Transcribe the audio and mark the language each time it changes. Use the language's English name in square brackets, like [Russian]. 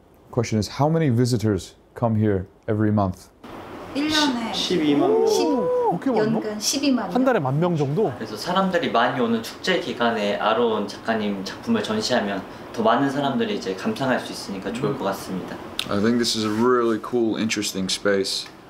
[English] Question is, how many visitors come here every month? [Korean] 1년에 12만 명. 연간 12만 명. 한 달에 만 명 정도? 그래서 사람들이 많이 오는 축제 기간에 아론 작가님 작품을 전시하면 더 많은 사람들이 이제 감상할 수 있으니까 좋을 것 같습니다. [English] I think this is a really cool, interesting space.